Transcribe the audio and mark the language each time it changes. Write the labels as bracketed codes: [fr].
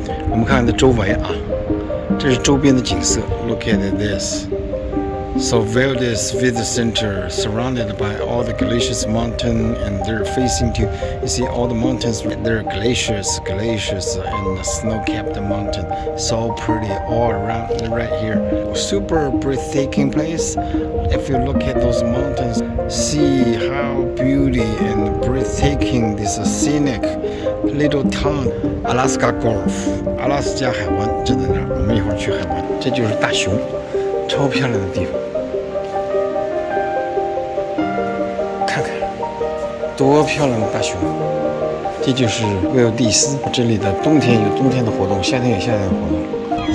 [zh] 我们看看这周围啊，这是周边的景色。 [en] Look at this. So Verdes Visitor Center surrounded by all the glaciers mountain, and they're facing to you see all the mountains. There are glaciers and snow-capped mountain, so pretty all around right here. Super breathtaking place. If you look at those mountains, see how beauty and breathtaking this scenic little town. [zh] Alaska Gulf, 阿拉斯加海湾就在那儿。我们一会儿去海湾。这就是大熊，超漂亮的地方。看看，多漂亮的大熊！这就是威尔蒂斯，这里的冬天有冬天的活动，夏天有夏天的活动。